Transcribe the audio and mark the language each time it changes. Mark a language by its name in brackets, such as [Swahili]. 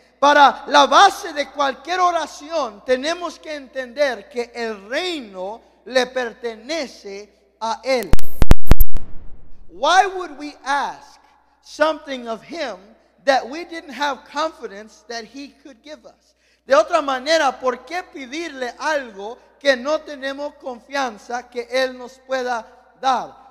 [Spanish] Para la base de cualquier oración, tenemos que entender que el reino le pertenece a él. [English] Why would we ask something of him that we didn't have confidence that he could give us? [Spanish] De otra manera, ¿por qué pedirle algo que no tenemos confianza que él nos pueda dar?